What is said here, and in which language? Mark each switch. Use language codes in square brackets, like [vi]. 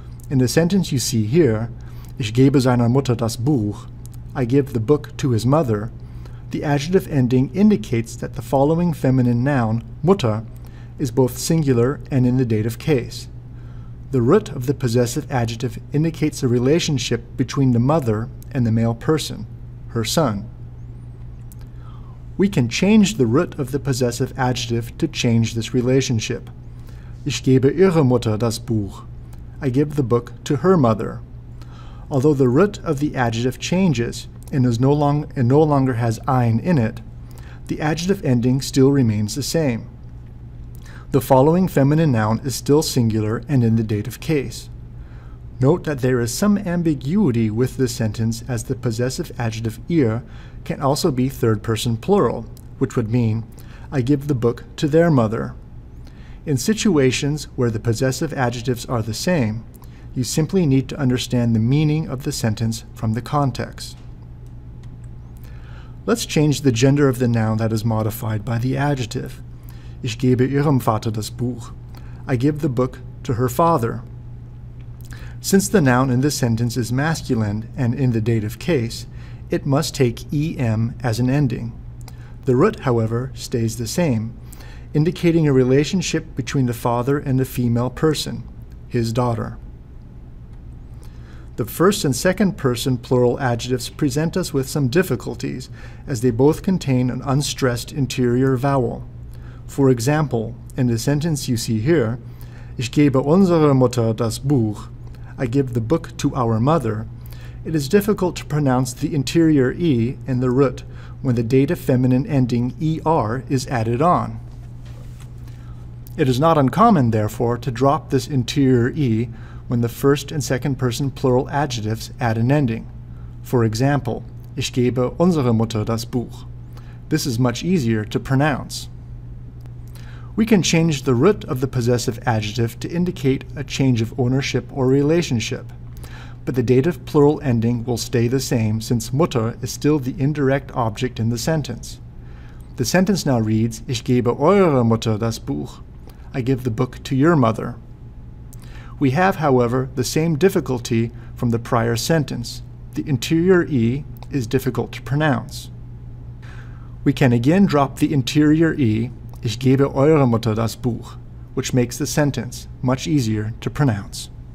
[en] In the sentence you see here, [de] ich gebe seiner Mutter das Buch, [en] I give the book to his mother, the adjective ending indicates that the following feminine noun, Mutter, is both singular and in the dative case. The root of the possessive adjective indicates a relationship between the mother and the male person, her son. We can change the root of the possessive adjective to change this relationship. [de] Ich gebe ihrer Mutter das Buch. [en] I give the book to her mother. Although the root of the adjective changes and no longer has ein in it, the adjective ending still remains the same. The following feminine noun is still singular and in the dative case. Note that there is some ambiguity with this sentence, as the possessive adjective ihr can also be third person plural, which would mean, I give the book to their mother. In situations where the possessive adjectives are the same, you simply need to understand the meaning of the sentence from the context. Let's change the gender of the noun that is modified by the adjective. [de] Ich gebe ihrem Vater das Buch. [en] I give the book to her father. Since the noun in this sentence is masculine and in the dative case, it must take em as an ending. The root, however, stays the same, indicating a relationship between the father and the female person, his daughter. The first and second person plural adjectives present us with some difficulties, as they both contain an unstressed interior vowel. For example, in the sentence you see here, [de] Ich gebe unserer Mutter das Buch, [en] I give the book to our mother, it is difficult to pronounce the interior e in the root when the dative feminine ending er is added on. It is not uncommon, therefore, to drop this interior e when the first and second person plural adjectives add an ending. [de] For example, Ich gebe unsere Mutter das Buch. [en] This is much easier to pronounce. We can change the root of the possessive adjective to indicate a change of ownership or relationship, but the dative plural ending will stay the same, since Mutter is still the indirect object in the sentence. The sentence now reads, [de] Ich gebe eurer Mutter das Buch. [en] I give the book to your mother. We have, however, the same difficulty from the prior sentence. The interior E is difficult to pronounce. We can again drop the interior E, [de] Ich gebe eurer Mutter das Buch, [en] which makes the sentence much easier to pronounce.